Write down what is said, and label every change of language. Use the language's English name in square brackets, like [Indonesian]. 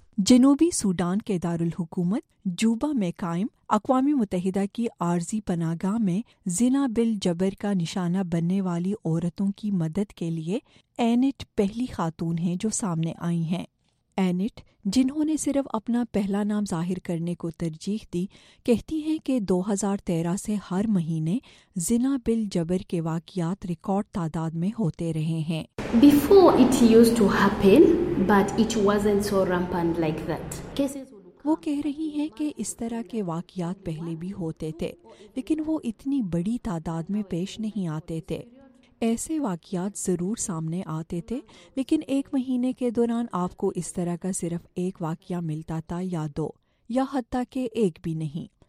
[Urdu] جنوبی سوڈان کے دارالحکومت جوبا میں قائم اقوام متحدہ کی عارضی پناہ گاہ میں زنا بالجبر کا نشانہ بننے والی عورتوں کی مدد کے لیے اینٹ پہلی خاتون ہیں جو سامنے آئی ہیں. اینٹ، جنہوں نے صرف اپنا پہلا نام ظاہر کرنے کو ترجیح دی، کہتی ہیں کہ 2013 سے ہر مہینے زنا بل جبر کے واقعات ریکارڈ تعداد میں ہوتے رہے ہیں. [English] Before it used to happen, but it wasn't so rampant like that. [Urdu] وہ کہہ رہی ہیں کہ اس طرح کے واقعات پہلے بھی ہوتے تھے، لیکن وہ اتنی بڑی تعداد میں پیش نہیں آتے تھے. ایسے واقعات ضرور سامنے آتے تھے، لیکن ایک مہینے کے دوران آپ کو اس طرح کا صرف ایک واقعہ ملتا تھا یا دو، یا حتیٰ کہ ایک بھی نہیں.